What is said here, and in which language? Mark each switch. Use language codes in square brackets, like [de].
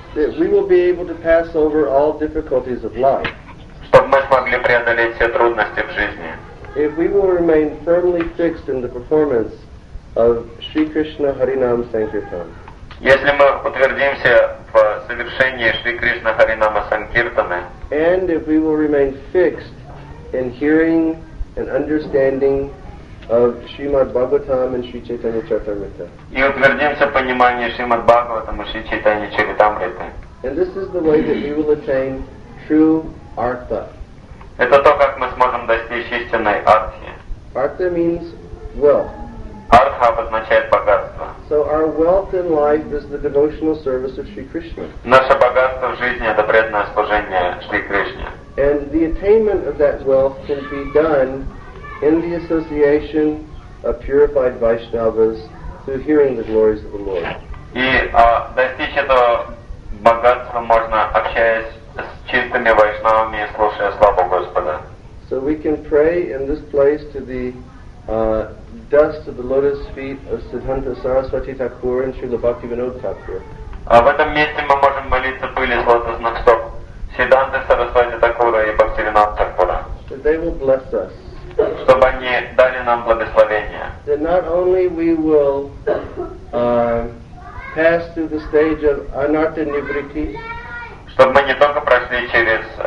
[en] That we will be able to pass over all difficulties of life. [ru] Чтобы мы смогли преодолеть все трудности в жизни. [en] If we will remain firmly fixed in the performance of Sri Krishna Harinam Sankirtan. [ru] Если мы утвердимся в совершении Шри Кришна Харинама Санкиртаны. [en] And if we will remain fixed in hearing and understanding of Srimad Bhagavatam and Sri Chaitanya Charitamrita. [ru] И утвердимся в понимании Шримад Бхагаватам и Шри Чайтанья Чаритамриты. [en] And this is the way that we will attain true artha. [ru] Это то, как мы сможем достичь истинной артхи. [en] Artha means wealth. [ru] Артха обозначает богатство. [en] So our wealth in life is the devotional service of Sri Krishna. [ru] Наше богатство в жизни — это преданное служение Шри Кришне. [en] And the attainment of that wealth can be done in the association of purified Vaishnavas through hearing the glories of the Lord. [ru] И достичь этого богатства можно, общаясь с чистыми вайшнавами и слушая славу Господа. [en] So we can pray in this place to the dust of the lotus feet of Siddhanta Saraswati Thakur and Srila Bhaktivinoda Thakur. [ru] В этом месте мы можем молиться пыли с лотосных стоп Сиддханты Сарасвати Такура и Бхактивинода Такура. [en] That they will bless us. [ru] Чтобы они дали нам благословение. [en] That not only we will pass through the stage of anartha nivritti. [ru] Чтобы мы не только прошли через